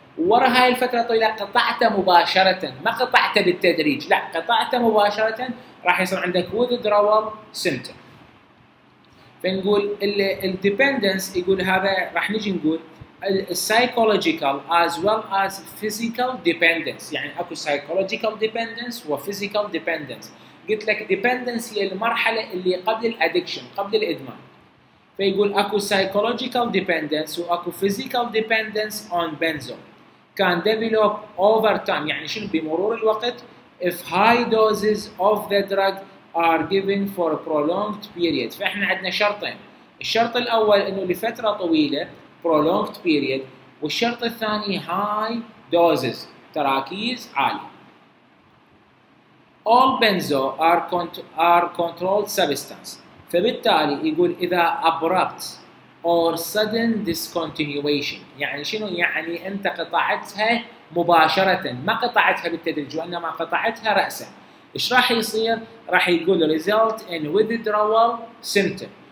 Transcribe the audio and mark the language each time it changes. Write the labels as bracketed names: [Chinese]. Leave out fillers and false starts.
[Arabic] ورا هاي الفترة الطويلة قطعت مباشرة، ما قطعت بالتدريج، لا قطعت مباشرة، راح يصير عندك withdrawal symptom. فنقول ال dependence، يقول هذا راح نجي نقول [English] psychological as well as physical dependence. [Arabic] يعني أكو [English] psychological dependence [Arabic] و [English] physical dependence. [Arabic] قلت لك dependence هي المرحلة اللي قبل ال addiction، قبل الإدمان. فيقول أكو [English] psychological dependence [Arabic] وأكو [English] physical dependence on benzo. Can develop over time. [Arabic] يعني شنو بمرور الوقت؟ [English] If high doses of the drug are given for a prolonged period. [Arabic] فإحنا عندنا شرطين. الشرط الأول إنه لفترة طويلة [English] prolonged period، [Arabic] والشرط الثاني [English] high doses [Arabic] تراكيز عالية. [English] All benzo are controlled substance. [Arabic] فبالتالي يقول إذا [English] abrupt or sudden discontinuation، [Arabic] يعني شنو يعني أنت قطعتها مباشرة، ما قطعتها بالتدريج وإنما قطعتها رأسا، إيش راح يصير؟ راح يقول [English] result in withdrawal symptom.